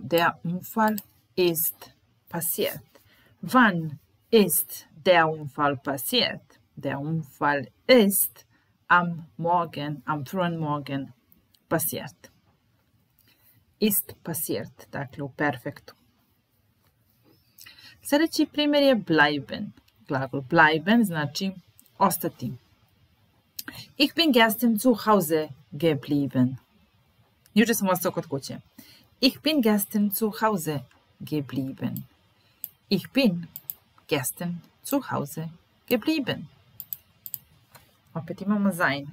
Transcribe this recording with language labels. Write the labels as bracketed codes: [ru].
[de] Der Unfall ist passiert. Wann ist der Unfall passiert? Der Unfall ist am Morgen, am frühen Morgen passiert. Ist passiert, [sr] dakle u perfektu. Sljedeći primjer je bleiben. Glagol bleiben znači ostati. [de] Ich bin gestern zu Hause geblieben. [sr] Juče sam ostao kod kuće. [de] Ich bin gestern zu Hause geblieben. Ich bin gestern zu Hause geblieben. [sr] Opet imamo [de] sein.